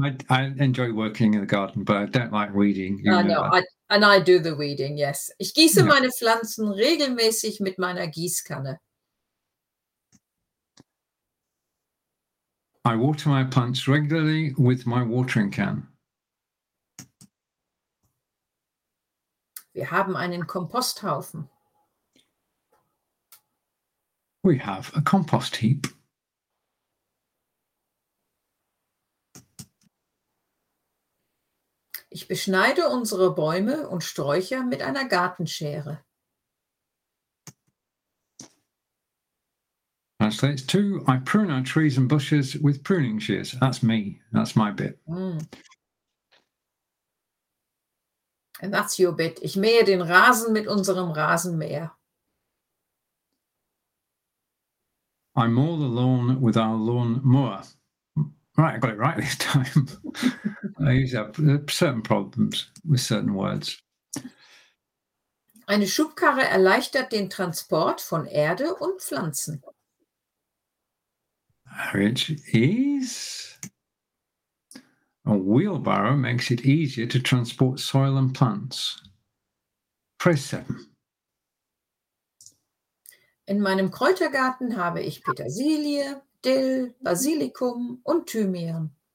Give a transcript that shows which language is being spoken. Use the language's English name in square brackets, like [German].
[English] I enjoy working in the garden, but I don't like weeding. I do the weeding, yes. [German] Ich gieße meine Pflanzen regelmäßig mit meiner Gießkanne. [English] I water my plants regularly with my watering can. [German] Wir haben einen Komposthaufen. [English] We have a compost heap. [German] Ich beschneide unsere Bäume und Sträucher mit einer Gartenschere. [English] Translates to, I prune our trees and bushes with pruning shears. That's me. That's my bit. And that's your bit. [German] Ich mähe den Rasen mit unserem Rasenmäher. [English] I mow the lawn with our lawn mower. Right, I got it right this time. I use certain problems with certain words. [German] Eine Schubkarre erleichtert den Transport von Erde und Pflanzen. [English] Which is a wheelbarrow makes it easier to transport soil and plants. Phrase 7. [German] In meinem Kräutergarten habe ich Petersilie, Dill, Basilikum und Thymian.